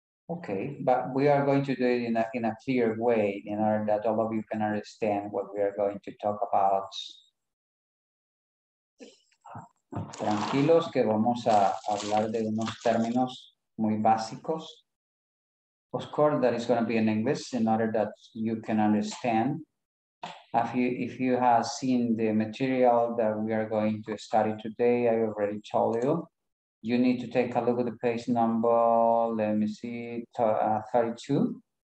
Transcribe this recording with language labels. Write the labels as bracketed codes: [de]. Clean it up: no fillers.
[en] Okay, but we are going to do it in a clear way in order that all of you can understand what we are going to talk about. [es] Tranquilos, que vamos a hablar de unos términos muy básicos. [en] Of course, that is going to be in English in order that you can understand. If you have seen the material that we are going to study today, I already told you, you need to take a look at the page number, let me see, 32.